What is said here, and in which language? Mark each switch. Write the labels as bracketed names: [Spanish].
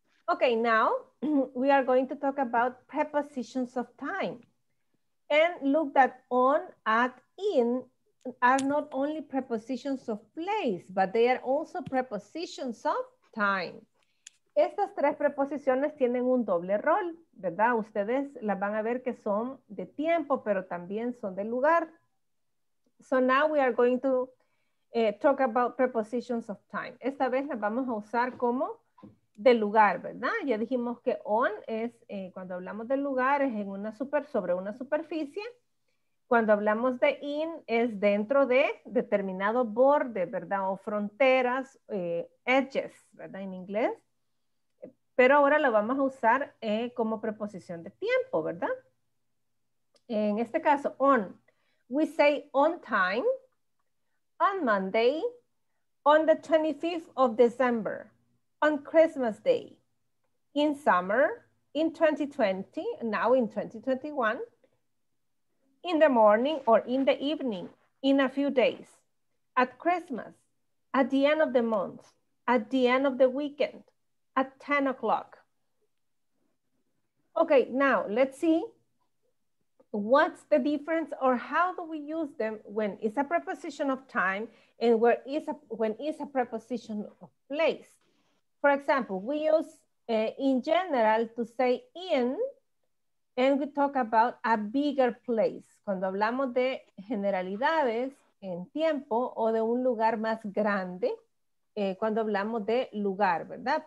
[English] Okay, now we are going to talk about prepositions of time. And look that on, at, in are not only prepositions of place, but they are also prepositions of time. [Spanish] Estas tres preposiciones tienen un doble rol, ¿verdad? Ustedes las van a ver que son de tiempo, pero también son de lugar. [English] So now we are going to talk about prepositions of time. [Spanish] Esta vez las vamos a usar como de lugar, ¿verdad? Ya dijimos que on es, cuando hablamos de lugar, es en una sobre una superficie. Cuando hablamos de in, es dentro de determinado borde, ¿verdad? O fronteras, edges, ¿verdad? En inglés. Pero ahora lo vamos a usar como preposición de tiempo, ¿verdad? En este caso, on. [English] We say on time, on Monday, on the 25th of December, on Christmas Day, in summer, in 2020, now in 2021, in the morning or in the evening, in a few days, at Christmas, at the end of the month, at the end of the weekend, at 10 o'clock. Okay, now let's see what's the difference or how do we use them when it's a preposition of time and where is a, when it's a preposition of place. For example, we use in general to say in and we talk about a bigger place. [Spanish] Cuando hablamos de generalidades en tiempo o de un lugar más grande, cuando hablamos de lugar, ¿verdad?